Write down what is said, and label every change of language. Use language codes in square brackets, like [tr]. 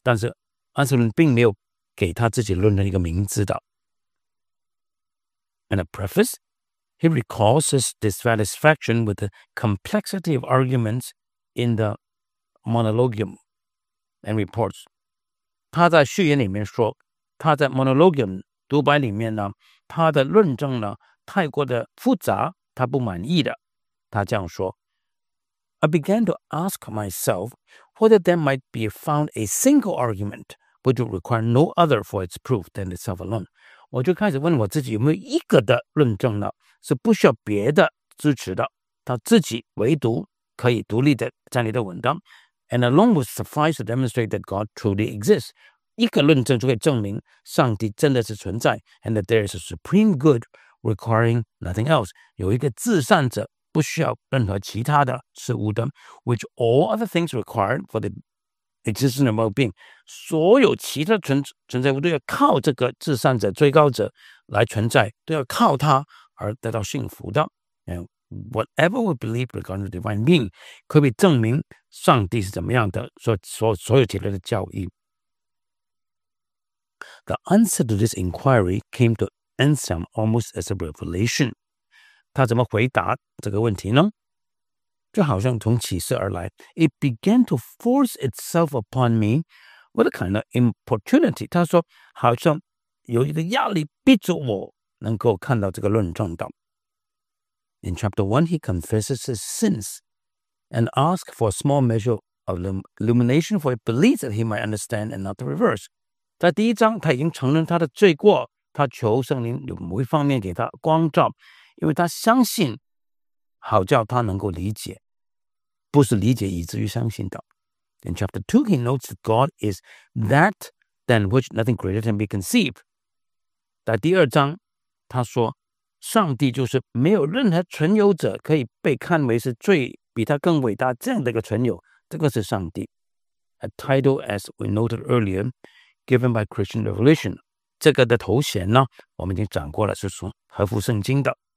[zh] 但是安瑟伦并没有给他自己论证一个名字的。 [en] And a preface, he recalls his dissatisfaction with the complexity of arguments in the Monologium, and reports。 [zh] 他在序言里面说，他在 Monologium 独白里面呢，他的论证呢太过的复杂，他不满意的。他这样说， [en] I began to ask myself whether there might be found a single argument which would require no other for its proof than itself alone。 [zh] 我就开始问我自己，有没有一个的论证呢是不需要别的支持的，他自己唯独可以独立的站立的文章。 [en] And alone would suffice to demonstrate that God truly exists。 [zh] 一个论证就可以证明上帝真的是存在， [en] And that there is a supreme good requiring nothing else， [zh] 有一个至善者不需要任何其他的事物的， [en] Which all other things required for the existence of well-being， [zh] 所有其他 存在物都要靠这个至善者最高者来存在，都要靠他而得到幸福的。 [en] And whatever we believe regarding the divine being [zh] 可以证明上帝是怎么样的，所有其他的教义。 [en] The answer to this inquiry came to Anselm almost as a revelation。 [zh] 他怎么回答这个问题呢？就好像从启示而来。 [en] It began to force itself upon me with a kind of importunity。 [zh] 他说好像有一个压力逼着我能够看到这个论证的。 [en] In chapter 1 he confesses his sins and asks for a small measure of illumination for a belief that he might understand and not the reverse。 [zh] 在第一章他已经承认他的罪过，他求圣灵有某一方面给他光照，因为他相信好叫他能够理解，不是理解以至于相信的。 [en] In chapter 2 he notes that God is that than which nothing greater can be conceived。 [zh] 在第二章他说上帝就是没有任何存有者可以被看为是最比他更伟大这样的一个存有，这个是上帝。 [en] A title as we noted earlier given by Christian Revelation， [zh] 这个的头衔呢我们已经讲过了，是从合乎圣经的。